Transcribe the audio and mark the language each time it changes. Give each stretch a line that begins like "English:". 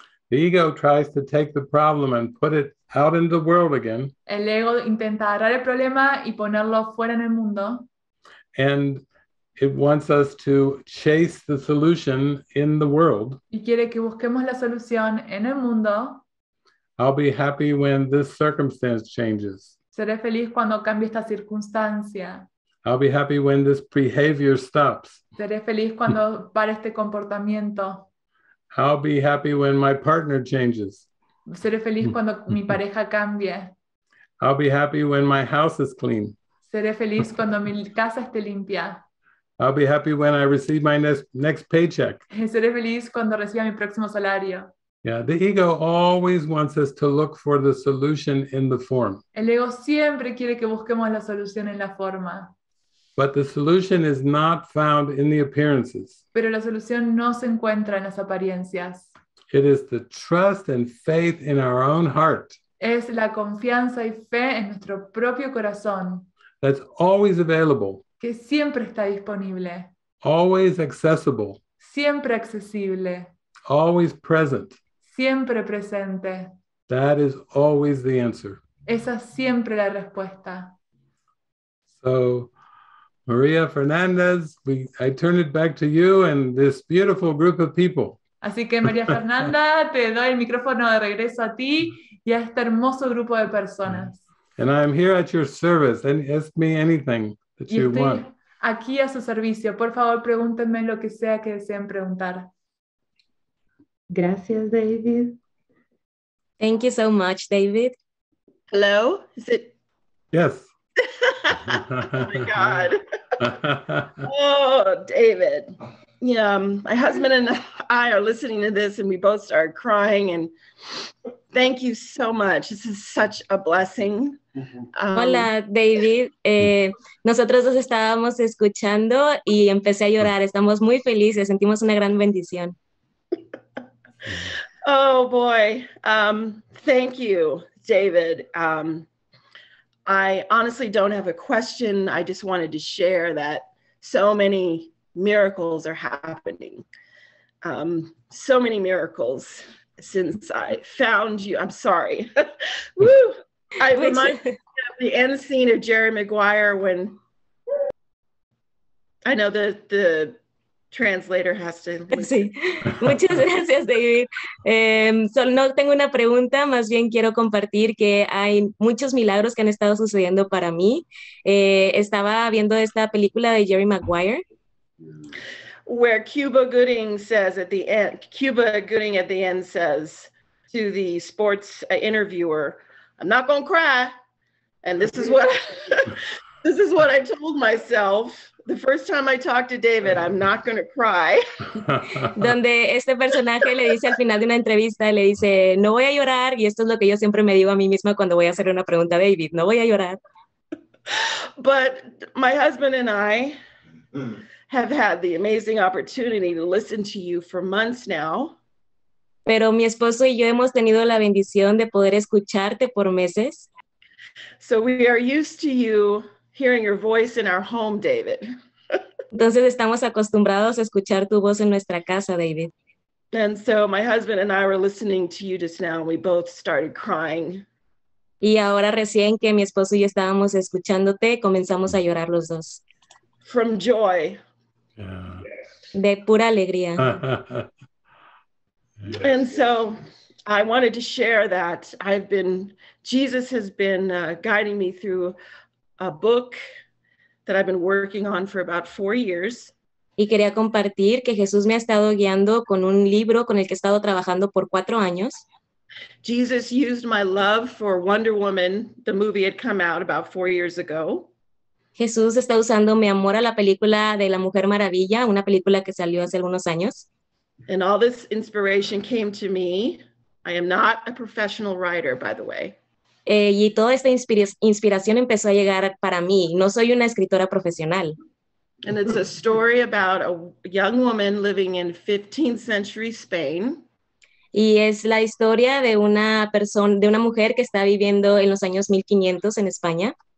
English: The ego tries to take the problem and put it out in the world again.
Spanish: El ego intenta agarrar el problema y ponerlo fuera en el mundo.
English: And it wants us to chase the solution in the world.
Spanish: Y quiere que busquemos la solución en el mundo.
English: I'll be happy when this circumstance changes.
Spanish: Seré feliz cuando cambie esta circunstancia.
English: I'll be happy when this behavior stops.
Spanish: Seré feliz cuando pare este comportamiento.
English: I'll be happy when my partner changes.
Spanish: Seré feliz cuando mi pareja cambie.
English: I'll be happy when my house is clean.
Spanish: Seré feliz cuando mi casa esté limpia.
English: I'll be happy when I receive my next paycheck.
Spanish: Seré feliz cuando reciba mi próximo salario.
English: Yeah, the ego always wants us to look for the solution in the form.
Spanish: El ego siempre quiere que busquemos la solución en la forma.
English: But the solution is not found in the appearances.
Spanish: Pero la solución no se encuentra en las apariencias.
English: It is the trust and faith in our own heart.
Spanish: Es la confianza y fe en nuestro propio corazón.
English: That's always available.
Spanish: Que siempre está disponible.
English: Always accessible.
Spanish: Siempre accesible.
English: Always present.
Spanish: Siempre presente.
English: That is always the answer.
Spanish: Esa es siempre la respuesta.
English: So, Maria Fernandez, I turn it back to you and this beautiful group of people.
Spanish: Así que María Fernanda, te doy el micrófono de regreso a ti y a este hermoso grupo de personas.
English: And I'm here at your service. And ask me anything that you want.
Spanish: Y estoy aquí a su servicio. Por favor, pregúntenme lo que sea que deseen preguntar. Gracias, David.
English: Thank you so much, David. Hello? Is it? Yes. Oh, my God. Oh, David. My husband and I are listening to this and we both start crying, and thank you so much. This is such a blessing.
Spanish: Hola, David. Nosotros los estábamos escuchando y empecé a llorar. Estamos muy felices. Sentimos una gran bendición.
English: Oh, boy. Thank you, David. I honestly don't have a question. I just wanted to share that so many miracles are happening. So many miracles since I found you. I'm sorry. Woo! I remind me of the end scene of Jerry Maguire when I know the translator has to listen.
Spanish: Sí. Muchas gracias, David. Solo no tengo una pregunta, más bien quiero compartir que hay muchos milagros que han estado sucediendo para mí. Estaba viendo esta película de Jerry Maguire.
English: Where Cuba Gooding says at the end, Cuba Gooding at the end says to the sports interviewer, I'm not going to cry. And this is what this is what I told myself the first time I talked to David, I'm not going to cry.
Spanish: Donde este personaje le dice al final de una entrevista, le dice, no voy a llorar. Y esto es lo que yo siempre me digo a mí misma cuando voy a hacer una pregunta a David, no voy a llorar.
English: But my husband and I have had the amazing opportunity to listen to you for months now.
Spanish: Pero mi esposo y yo hemos tenido la bendición de poder escucharte por meses.
English: So we are used to you hearing your voice in our home, David.
Spanish: Entonces estamos acostumbrados a escuchar tu voz en nuestra casa, David.
English: And so my husband and I were listening to you just now, and we both started crying.
Spanish: Y ahora recién que mi esposo y yo estábamos escuchándote, comenzamos a llorar los dos.
English: From joy.
Spanish: Yeah. De pura alegría.
English: Yes. And so I wanted to share that I've been, Jesus has been guiding me through a book that I've been working on for about 4 years.
Spanish: Y quería compartir que Jesús me ha estado guiando con un libro con el que he estado trabajando por 4 años.
English: Jesus used my love for Wonder Woman, the movie had come out about 4 years ago.
Spanish: Jesús está usando mi amor a la película de La Mujer Maravilla, una película que salió hace algunos años.
English: And all this inspiration came to me. I am not a professional writer, by the way.
Spanish: Y toda esta inspiración empezó a llegar para mí. No soy una escritora profesional.
English: And it's a story about a young woman living in 15th century Spain.
Spanish: Y es la historia de una persona, de una mujer que está viviendo en los años 1500 en España.